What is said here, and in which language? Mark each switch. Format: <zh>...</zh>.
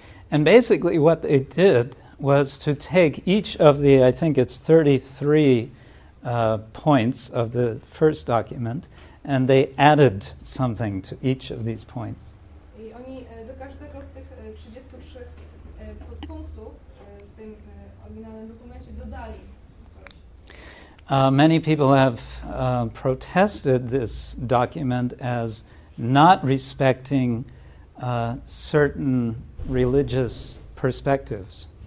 <en>And basically what they did was to take each of the, I think it's 33 points of the first document, and they added something to each of these points.</en> <pl>I oni do każdego z tych 33 podpunktów w tym oryginalnym dokumencie dodali coś.</pl> <en>Many people have protested this document as not respecting certain religious perspectives.</en>